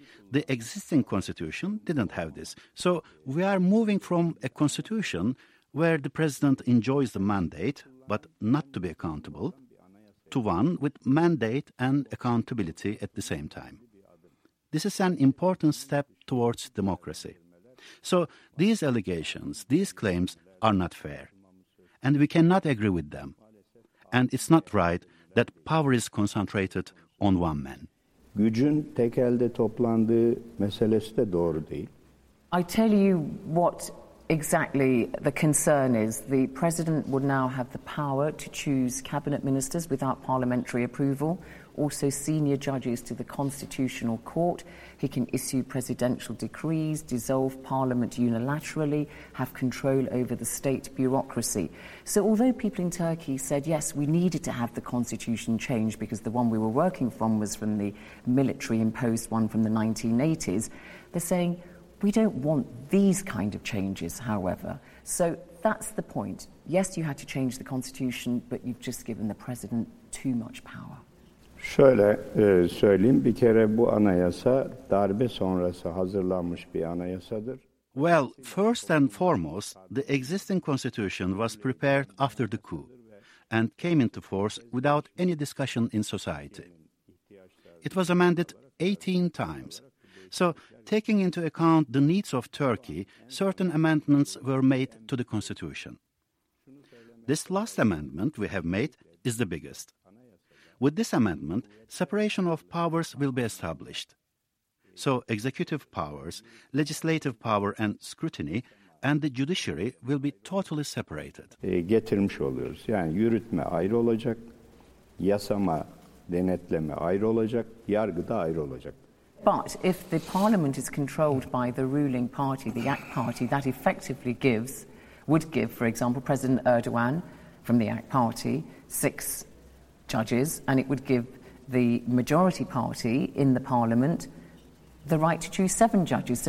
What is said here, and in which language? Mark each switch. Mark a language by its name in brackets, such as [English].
[English] The existing constitution didn't have this. So we are moving from a constitution where the president enjoys the mandate, but not to be accountable, to one with mandate and accountability at the same time. This is an important step towards democracy. So these allegations, these claims are not fair, and we cannot agree with them. And it's not right that power is concentrated on one man. [Turkish] Gücün tek elde toplandığı meselesi de doğru değil. [English] I tell you what exactly the concern is. The president would now have the power to choose cabinet ministers without parliamentary approval, also senior judges to the constitutional court. He can issue presidential decrees, dissolve parliament unilaterally, have control over the state bureaucracy. So although people in Turkey said, yes, we needed to have the constitution changed because the one we were working from was from the military-imposed one from the 1980s, they're saying, we don't want these kind of changes, however. So that's the point. Yes, you had to change the constitution, but you've just given the president too much power. [Turkish] Şöyle söyleyeyim, bir kere bu anayasa darbe sonrası hazırlanmış bir anayasadır. [English] Well, first and foremost, the existing constitution was prepared after the coup and came into force without any discussion in society. It was amended 18 times. So, taking into account the needs of Turkey, certain amendments were made to the constitution. This last amendment we have made is the biggest. With this amendment, separation of powers will be established. So executive powers, legislative power and scrutiny and the judiciary will be totally separated. [Turkish] Getirmiş oluyoruz. Yani yürütme ayrı olacak, yasama, denetleme ayrı olacak, yargı da ayrı olacak. [English] But if the parliament is controlled by the ruling party, the AK Party, that effectively gives, would give, for example, President Erdogan from the AK Party, six judges, and it would give the majority party in the parliament the right to choose seven judges.